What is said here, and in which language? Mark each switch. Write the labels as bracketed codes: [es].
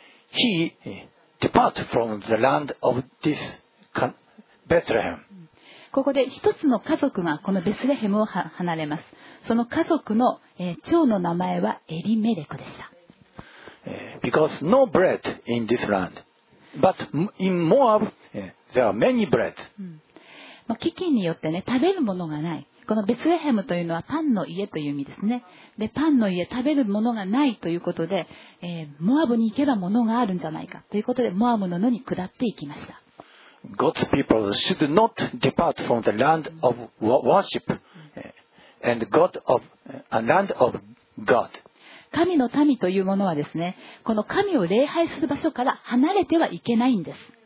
[en] He depart from the land of this Bethlehem. [ja] ここで一つの家族がこのベスレヘムを離れます。その家族の長の名前はエリメレクでした。 [en] Because no bread in this land, but in Moab there are many bread. [ja] 飢饉によってね、食べるものがない。このベツレヘムというのはパンの家という意味ですね。で、パンの家、食べるものがないということで、モアブに行けばものがあるんじゃないかということで、モアブの野に下っていきました。 [en] God's people should not depart from the land of worship and God of a land of God. [ja] 神の民というものはですね、この神を礼拝する場所から離れてはいけないんです。